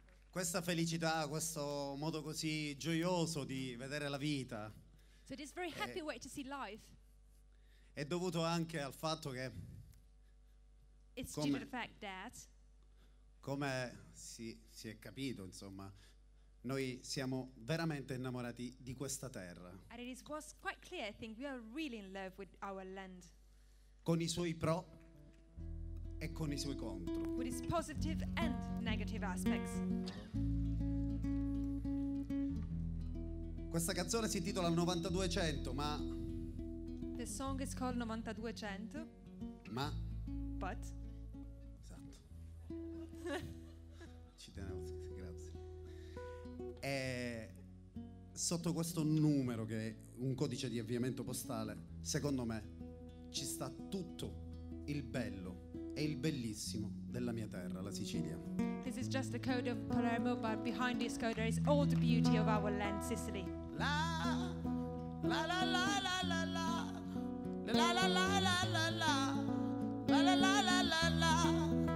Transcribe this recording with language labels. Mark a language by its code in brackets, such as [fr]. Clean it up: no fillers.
[it] Questa felicità, questo modo così gioioso di vedere la vita. [en] So it is very happy way to see life. [it] È dovuto anche al fatto che [en] it's due to the fact that [it] come si è capito, insomma, noi siamo veramente innamorati di questa terra. [en] And it was quite clear, I think, we are really in love with our land. [it] Con i suoi pro e con i suoi contro. [en] With its positive and negative aspects. [it] Questa canzone si intitola 9200, ma [en] the song is called 9200. [it] Ma [en] but [it] esatto. Ci tenevo. E sotto questo numero, che è un codice di avviamento postale, secondo me ci sta tutto il bello e il bellissimo della mia terra, la Sicilia. [en] This is just the code of Palermo, but behind this code there is all the beauty of our land, Sicily. La la la la la la la la la la la la la la la la la la la la.